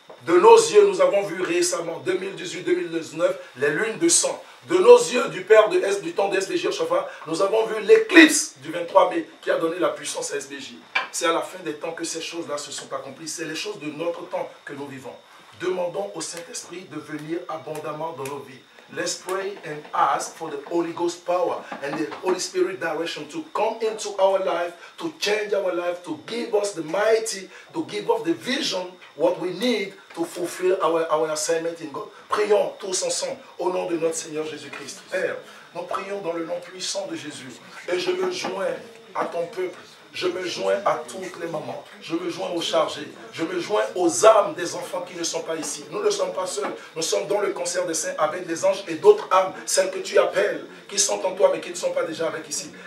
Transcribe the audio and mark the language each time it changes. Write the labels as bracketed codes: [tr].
[fr] De nos yeux, nous avons vu récemment, 2018-2019, les lunes de sang. De nos yeux, du père de S, du temps de SBJ, nous avons vu l'éclipse du 23 mai qui a donné la puissance à SBJ. C'est à la fin des temps que ces choses-là se sont accomplies. C'est les choses de notre temps que nous vivons. Demandons au Saint-Esprit de venir abondamment dans nos vies. [en] Let's pray and ask for the Holy Ghost power and the Holy Spirit direction to come into our life, to change our life, to give us the mighty, to give us the vision, what we need to fulfill our assignment in God. [fr] Prions tous ensemble au nom de notre Seigneur Jésus-Christ. Père, nous prions dans le nom puissant de Jésus et je me joins à ton peuple Je me joins à toutes les mamans. Je me joins aux chargés. Je me joins aux âmes des enfants qui ne sont pas ici. Nous ne sommes pas seuls. Nous sommes dans le concert des saints avec les anges et d'autres âmes, celles que tu appelles, qui sont en toi mais qui ne sont pas déjà avec ici.